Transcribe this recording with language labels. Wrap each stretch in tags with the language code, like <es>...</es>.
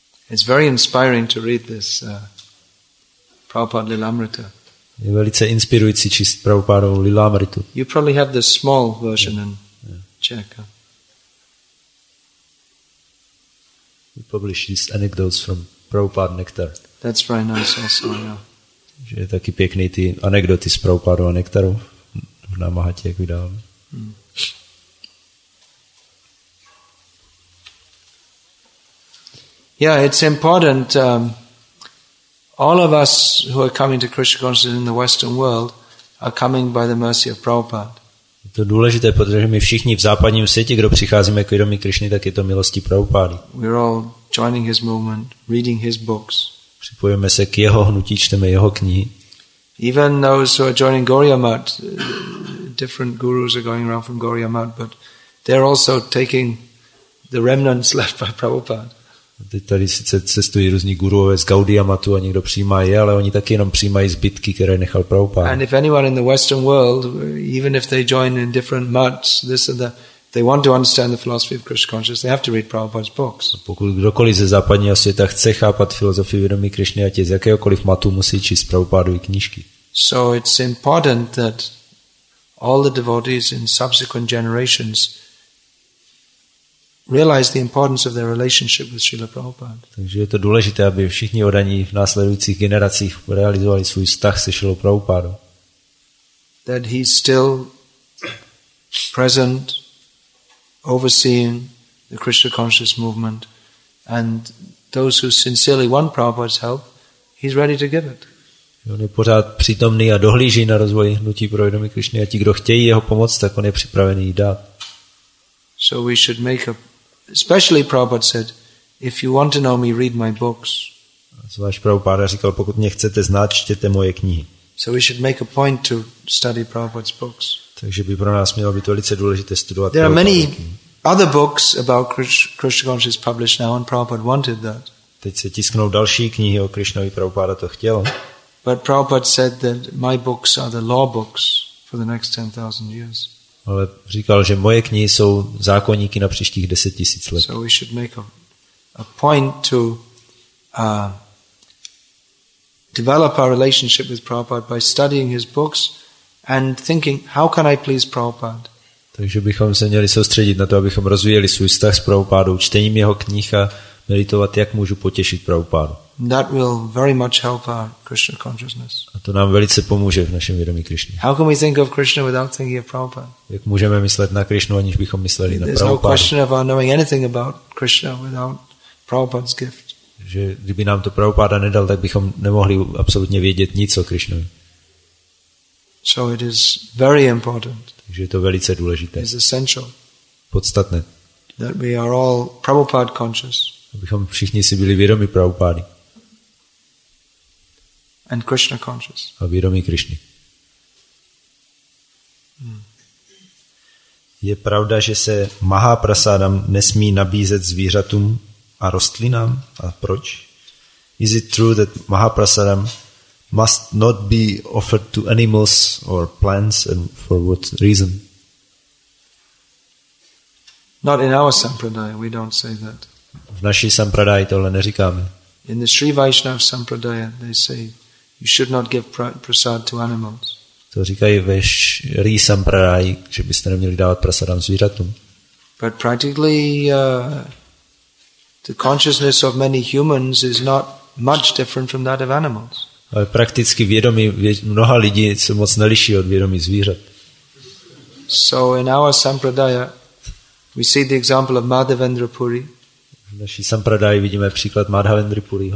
<en>It's very inspiring to read this Prabhupada Lilamrita.</en> <cs>Je velice inspirující číst Prabhupada Lilamritu.</cs> <en>You probably have the small version in Czech. We publish these anecdotes from Prabhupada Nectar. That's very nice also, yeah.</en> <cs>Že je taky pěkný ty anekdoty z Prabhupada Nektaru v Namahatě, jak vydáváme.</cs> <en>Yeah, it's important. All of us who are coming to Krishna consciousness in the Western world are coming by the mercy of Prabhupada.</en> <cs>To je důležité, protože my všichni v západním světě, kdo přicházíme k vědomí Krišny, tak je to milostí Prabhupády.</cs> <en>We're all joining his movement, reading his books.</en> <cs>Připojujeme se k jeho hnutí, čteme jeho knihy.</cs> <en>Even those who are joining Gaudiya Math, different gurus are going around from Gaudiya Math, but they're also taking the remnants left by Prabhupada.</en> <cs>Teď tady sice cestují různí guruové z Gaudiya Mathu a někdo přijímá je, ale oni taky jenom přijímají zbytky, které nechal Prabhupada.</cs> <en>And if anyone in the Western world, even if they join in different maths, this and that, they want to understand the philosophy of Krishna consciousness, they have to read Prabhupada's books.</en> <cs>Pokud kdokoliv ze západního světa chce chápat filozofii vědomí Krišny, ať je z jakéhokoliv matu, musí číst Prabhupádovy knížky.</cs> <en>So it's important that all the devotees in subsequent generations realize the importance of their relationship with Srila Prabhupada.</en> <cs>Takže je to důležité, aby všichni odaní v následujících generacích realizovali svůj vztah se Srila Prabhupádou.</cs> <en>That he's still present, overseeing the Krishna conscious movement, and those who sincerely want Prabhupada's help, he's ready to give it.</en> <cs>On je pořád přítomný a dohlíží na rozvoj hnutí pro vědomí Krišny a ti, kdo chtějí jeho pomoc, tak on je připravený jí dát.</cs> <en>So we should make a especially Prabhupada said, if you want to know me, read my books.</en> <cs>Zvlášť Prabhupada říkal, pokud mě chcete znát, čtěte moje knihy.</cs> <en>So we should make a point to study Prabhupada's books.</en> <cs>Takže by pro nás mělo být velice důležité studovat.</cs> <en>There are many other books about Krishna consciousness published now, and Prabhupada wanted that.</en> <cs>Teď se tisknou další knihy o Krišnovi, Prabhupada to chtěl.</cs> <en>But Prabhupada said that my books are the law books for the next 10,000 years.</en> <cs>Ale říkal, že moje knihy jsou zákoníky na příštích 10 tisíc let.</cs> <en>So we should make a point to develop our relationship with Prabhupada by studying his books and thinking, how can I please Prabhupada?</en> <cs>Takže bychom se měli soustředit na to, abychom rozvíjeli svůj vztah s Prabhupádou, čtením jeho knih a meditovat, jak můžu potěšit Prabhupádu.</cs> <en>That will very much help our Krishna consciousness.</en> <cs>A to nám velice pomůže v našem vědomí Krishna.</cs> <en>How can we think of Krishna without thinking of Prabhupada?</en> <cs>Jak můžeme myslet na Krishnu, aniž bychom mysleli na Prabhupádu?</cs> <en>There's no question of our knowing anything about Krishna without Prabhupada's gift.</en> <cs>Že kdyby nám to Prabhupáda nedal, tak bychom nemohli absolutně vědět nic o Krishnovi.</cs> <en>So it is very important.</en> <cs>Takže je to velice důležité.</cs> <en>It's essential.</en> <cs>Podstatné.</cs> <en>That we are all Prabhupada conscious.</en> <cs>Abychom všichni si byli vědomi Prabhupády.</cs> <en>And Krishna conscious.</en> <cs>A vědomí Krišny. Je pravda, že se Mahaprasadam nesmí nabízet zvířatům a rostlinám? A proč?</cs> <en>Is it true that Mahaprasadam must not be offered to animals or plants, and for what reason? Not in our sampradaya, we don't say that.</en> <cs>V naší sampradaji tohle neříkáme.</cs> <en>In the Sri Vaishnav sampradaya, they say you should not give prasad to animals.</en> <cs>To říkají ve Sri sampradaji, že byste neměli dávat prasadam zvířatům.</cs> <en>But practically, the consciousness of many humans is not much different from that of animals.</en> <cs>Ale prakticky vědomí mnoha lidí se moc neliší od vědomí zvířat.</cs> <en>So in our sampradaya we see the example of Madhavendra Puri.</en> <cs>V naší sampradaji vidíme příklad Madhavendra Puriho.</cs>